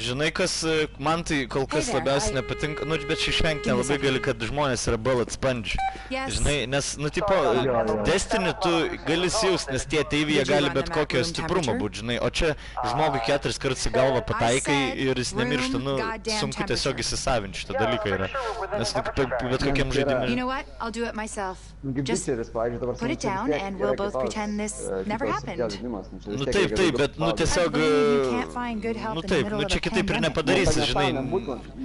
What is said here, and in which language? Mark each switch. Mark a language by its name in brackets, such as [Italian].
[Lithuanian] Žinai, kas man tai kol kas labiausiai nepatinka, nu, bet išvengti nelabai gali, kad žmonės yra bullet sponge. Žinai, nes, nu, tipo, Destiny tu gali siūst, nes tie ateiviai jie gali bet kokio stiprumo būti, žinai, o čia žmogui 4 kartus į galvą pataikai ir jis nemiršta, nu, sunku tiesiog įsisavinti šitą dalyką yra, nes tik bet kokiam žaidimui. [English] You know what, I'll do it myself. Just put it down and we'll both pretend this never happened. [Lithuanian] Nu taip, taip, bet, nu, tiesiog, nu taip, nu čia kitaip ir nepadarysi, žinai.